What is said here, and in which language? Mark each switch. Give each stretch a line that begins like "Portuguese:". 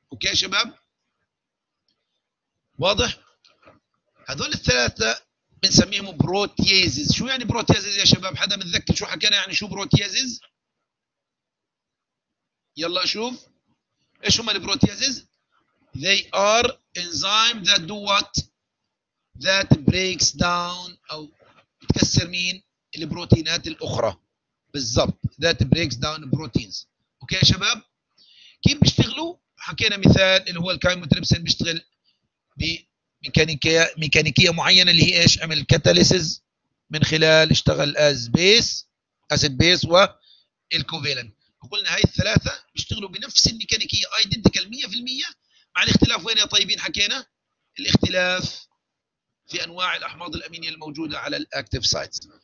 Arabic: اوكي يا شباب واضح؟ هذول الثلاثه بنسميهم بروتيزز. شو يعني بروتيزز يا شباب؟ حدا متذكر شو حكينا يعني شو بروتيزز؟ يلا اشوف ايش هم البروتيزز.
English: they are enzyme that do what that breaks down
Arabic: او بتكسر مين؟ البروتينات الاخرى.
English: بالضبط that breaks down proteins.
Arabic: اوكي يا شباب كيف بيشتغلوا؟ حكينا مثال اللي هو الكايموتريبسين بيشتغل بميكانيكيه معينه اللي هي ايش؟ عمل كاتاليسز من خلال اشتغل از بيس اسيد بيس والكوفيلنت. وقلنا هاي الثلاثه بيشتغلوا بنفس الميكانيكيه ايدنتيكال 100% مع الاختلاف وين يا طيبين؟ حكينا الاختلاف في انواع الاحماض الامينيه الموجوده على الاكتيف سايتس.